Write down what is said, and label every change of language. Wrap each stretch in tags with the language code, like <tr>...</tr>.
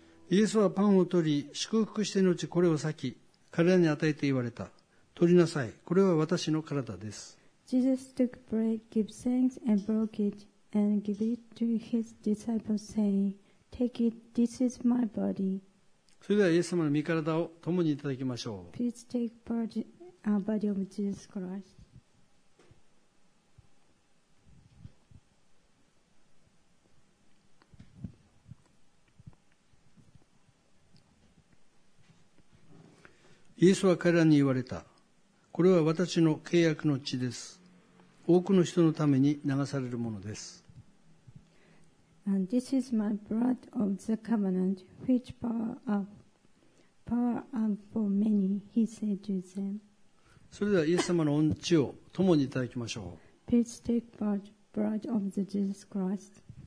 <ja>イエスはパンを取り、祝福して後これを裂き、彼らに与えて言われた。取りなさい、これは私の体です。</ja> <en>Jesus took bread, gave thanks, and broke it, and gave it to his disciples, saying, Take it, this is my body.</en> <ja>それではイエス様の御体を共にいただきましょう。</ja> <en>Please take body, body of Jesus Christ.</en> <ja>イエスは彼らに言われた。これは私の契約の血です。多くの人のために流されるものです。</ja> <en>And this is my blood of the covenant, which power up for many, he said to them.</en> <ja>それではイエス様の御血を共にいただきましょう。</ja> <en>Please take part, blood of the Jesus Christ.</en>